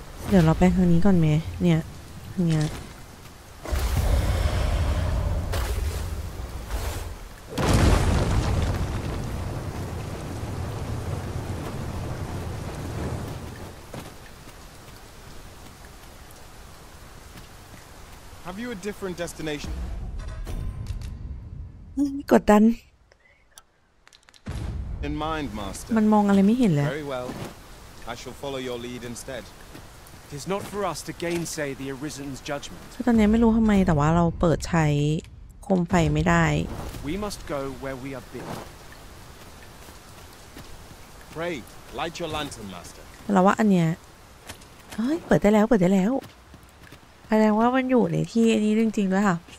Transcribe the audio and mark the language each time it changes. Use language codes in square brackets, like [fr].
[th] เดี๋ยวเราไปทางนี้ก่อนไหมเนี่ยทางเนี้ย [en] Have you a different destination? [th] กดดัน [en] In mind, Master. [th] มันมองอะไรไม่เห็นเลย [en] Very well. I shall follow your lead instead. It is not for us to gainsay the Arisen's judgment. [th] คือตอนนี้ไม่รู้ทำไมแต่ว่าเราเปิดใช้โคมไฟไม่ได้ [en] We must go where we are bidden. Pray, light your lantern, master. [th] เราว่าอันเนี้ยเฮ้ยเปิดได้แล้วเปิดได้แล้วแสดงว่ามันอยู่ในที่อันนี้จริงๆด้วยค่ะ